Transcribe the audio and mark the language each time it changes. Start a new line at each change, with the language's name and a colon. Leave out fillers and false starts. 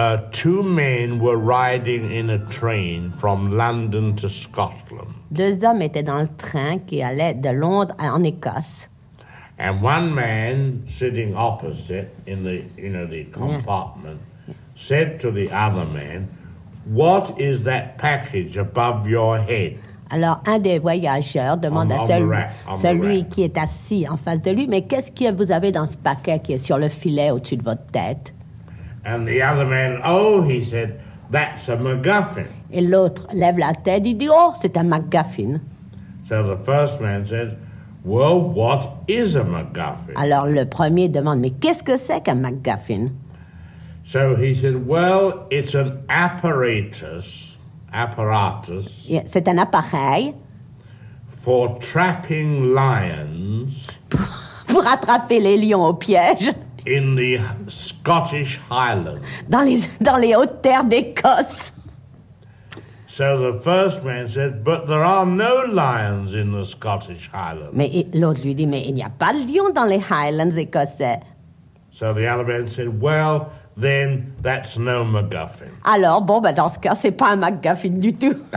English: two men were riding in a train from London to Scotland.
French: Deux hommes étaient dans le train qui allait de Londres en Écosse.
English: And one man sitting opposite in the, you know, the compartment said to the other man, "What is that package above your head?"
French: Alors, un des voyageurs demande à celui qui est assis en face de lui, mais qu'est-ce que vous avez dans ce paquet qui est sur le filet au-dessus de votre tête?
English: And the other man, "Oh," he said, "that's a MacGuffin."
French: Et l'autre lève la tête et dit, "Oh, c'est un MacGuffin."
English: So the first man said, "Well, what is a MacGuffin?"
French: Alors, le premier demande, mais qu'est-ce que c'est qu'un MacGuffin?
English: So he said, "Well, it's an apparatus." Apparatus.
French: Yeah, c'est un appareil.
English: For trapping lions.
French: Pour attraper les lions au piège.
English: In the Scottish Highlands.
French: Dans les hautes terres d'Écosse.
English: So the first man said, "But there are no lions in the Scottish Highlands."
French: Mais l'autre lui dit, mais il n'y a pas de lions dans les Highlands écossais.
English: So the other man said, "Well, then that's no MacGuffin."
French: Alors, bon, ben dans ce cas, c'est pas un MacGuffin du tout.